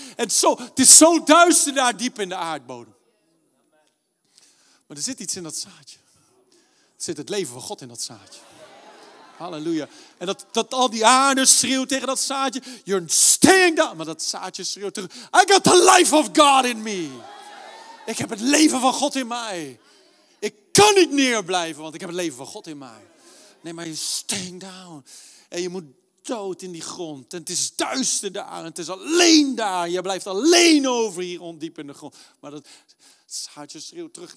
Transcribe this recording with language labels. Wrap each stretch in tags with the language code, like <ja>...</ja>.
<nl>En zo, het is zo duister daar diep in de aardbodem. Maar er zit iets in dat zaadje. Er zit het leven van God in dat zaadje. Halleluja. En dat al die aarde schreeuwt tegen dat zaadje.</nl> <en>You're staying down.</en> <nl>Maar dat zaadje schreeuwt terug.</nl> <en>I got the life of God in me.</en> <nl>Ik heb het leven van God in mij. Ik kan niet neerblijven, want ik heb het leven van God in mij. Nee, maar je</nl> <en>staying down.</en> <nl>En je moet dood in die grond. En het is duister daar. En het is alleen daar. Je blijft alleen over hier ondiep in de grond. Maar dat zaadje schreeuwt terug.</nl>